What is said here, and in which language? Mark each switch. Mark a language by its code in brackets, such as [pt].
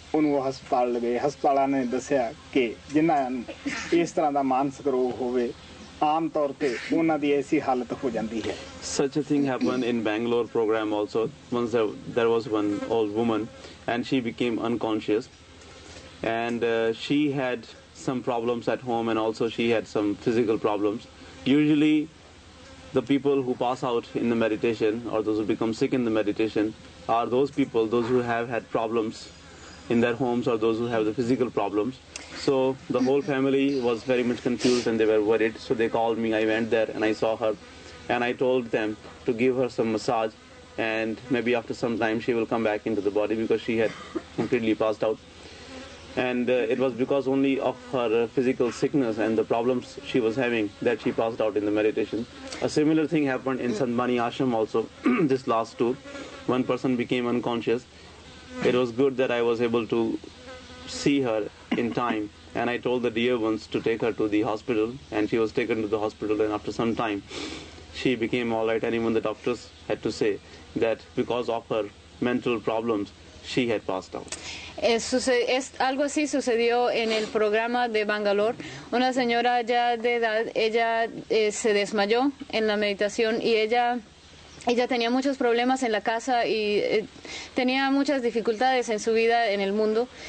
[pa] ਉਹਨੂੰ ਹਸਪਤਾਲ ਲਗੇ, ਹਸਪਤਾਲਾਂ ਨੇ ਦੱਸਿਆ ਕਿ ਜਿਹਨਾਂ ਇਸ ਤਰ੍ਹਾਂ ਦਾ ਮਾਨਸਿਕ ਰੋਗ ਹੋਵੇ ਆਮ ਤੌਰ ਤੇ ਉਹਨਾਂ ਦੀ ਐਸੀ ਹਾਲਤ ਹੋ ਜਾਂਦੀ ਹੈ। [en] Such a thing happen in Bangalore programme also once there was one old woman and she became unconscious and she had some problems at home and also she had some physical problems. Usually the people who pass out in the meditation or those who become sick in the meditation are those people, those who have had problems in their homes or those who have the physical problems. So the whole family was very much confused and they were worried. So they called me. I went there and I saw her and I told them to give her some massage. And maybe after some time she will come back into the body because she had completely passed out. And it was because only of her physical sickness and the problems she was having that she passed out in the meditation. A similar thing happened in Sandmani Ashram also, this last tour. One person became unconscious. It was good that I was able to see her in time. And I told the dear ones to take her to the hospital. And she was taken to the hospital and after some time, she became all right. And even the doctors had to say that because of her mental problems, she had passed out. [es] Algo así sucedió en el programa de Bangalore. Una señora ya de edad, ella se desmayó en la meditación y ella tenía muchos problemas en la casa y tenía muchas dificultades en su vida en el mundo.